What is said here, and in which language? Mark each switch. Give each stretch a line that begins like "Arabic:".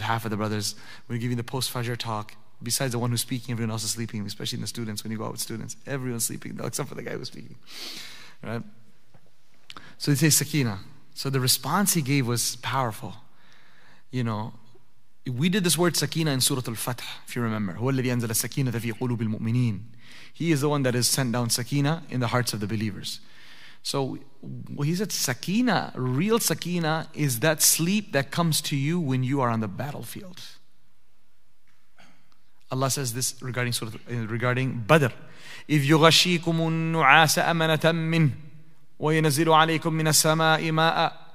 English: Half of the brothers, when you're giving the post-fajr talk, besides the one who's speaking, everyone else is sleeping, especially in the students. When you go out with students, everyone's sleeping, except for the guy who's speaking. Right? So they say Sakina. So the response he gave was powerful. You know, we did this word Sakina in Surah Al-Fath, if you remember.
Arabic: هو الذي أنزل السكينة في قلوب المؤمنين.
English: He is the one that has sent down Sakina in the hearts of the believers. So he said Sakina, real Sakina, is that sleep that comes to you when you are on the battlefield. Allah says this regarding Badr. If
Arabic: يُغَشِيكُمُ النُّعَاسَ أَمَنَةً مِّنْ وَيَنَزِلُ عَلَيْكُم مِّنَ السَّمَاءِ مَاءً.